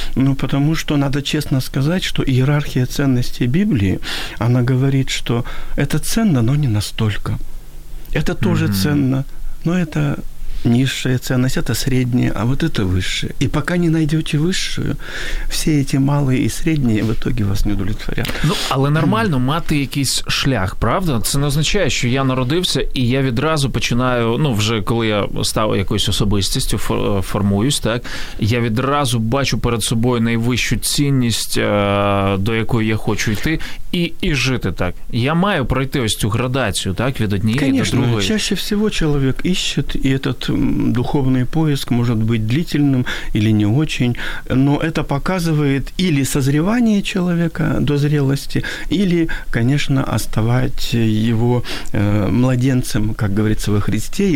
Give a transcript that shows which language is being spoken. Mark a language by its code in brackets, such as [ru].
[ru] Ну, потому что надо честно сказать, что иерархия ценностей Библии, она говорит, что это ценно, но не настолько. Это тоже ценно, но это... Низшая ценность – это средняя, а вот это высшая. И пока не найдете высшую, все эти малые и средние в итоге вас не удовлетворят. [uk] Ну, але нормально мати якийсь шлях, правда? Це не означає, що я народився, і я відразу починаю, ну, вже коли я став якоюсь особистістю, формуюсь, так, я відразу бачу перед собою найвищу цінність, до якої я хочу йти, і жити так. Я маю пройти ось цю градацію, так, від однієї [ru] Конечно, [uk] до другої. [ru] Звісно, чаще всього чоловік ищет, і этот духовный поиск может быть длительным или не очень, но это показывает или созревание человека до зрелости, или, конечно, оставать его младенцем, как говорится, во Христе.